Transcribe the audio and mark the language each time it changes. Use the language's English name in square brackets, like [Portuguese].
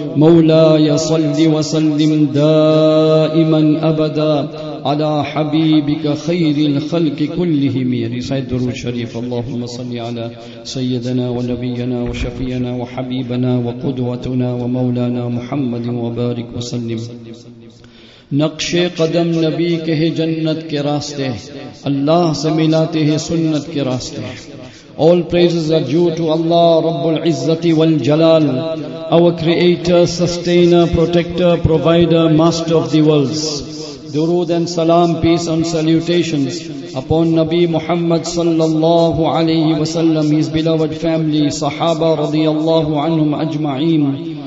[Arabic] مولاي صل وسلم دائما أبدا على حبيبك خير الخلق كلهم. رسالة درود شريف. اللهم صل على سيدنا ونبينا وشفينا وحبيبنا وقدوتنا ومولانا محمد وبارك وسلم. [Urdu] نقش قدم نبی کے ہے جنت کے راستے، اللہ سے ملاتے ہیں سنت کے راستے. [English] All praises are due to Allah [Arabic] رب العزت والجلال، [English] our creator, sustainer, protector, provider, master of the worlds. Durood and salam, peace and salutations upon Nabi Muhammad sallallahu alayhi wa sallam, his beloved family, sahaba radiyallahu anhum ajma'in.